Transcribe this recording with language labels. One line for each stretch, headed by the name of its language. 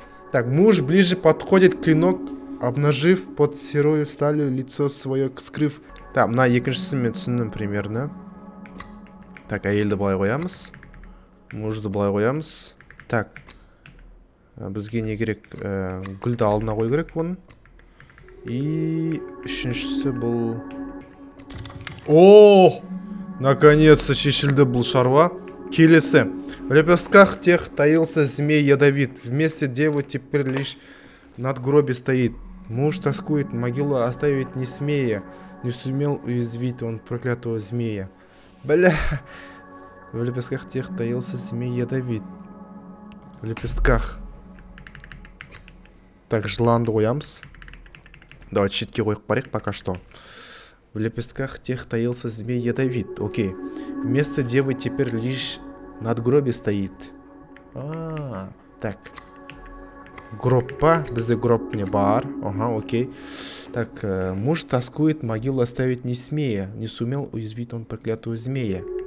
Russian: Так, муж ближе подходит, клинок обнажив под серою сталью, лицо свое скрыв.
Kazakh: Так, мына екіншісімен түсіндім примерно. Так, әйелді былай қоямыз. Мужды былай қоямыз. Так. Бізге не керек, гүлді алдына қой керек бұны. И үшіншісі бұл... О!
Russian: Наконец-то
Kazakh: шешілді бұл шарва. Келесі.
Russian: В лепестках тех таился змей ядовит. Вместе девы теперь лишь над гроби стоит. Муж тоскует, могилу оставить не смея. Не сумел уязвить он проклятого змея. Бля! В лепестках тех таился змей ядовит. В лепестках...
Kazakh: Так, жыланды қоямыз. Давай шетке қойық барек
Russian: пока что. В лепестках тех таился змей ядовит. Окей. Место девы теперь лишь над гроби стоит. А-а-а. Так. Гроппа.
Kazakh: Бізде гроб не бар. Ага, окей.
Russian: Так, муж тоскует, могилу оставить не смея. Не сумел уязвить он проклятую змея.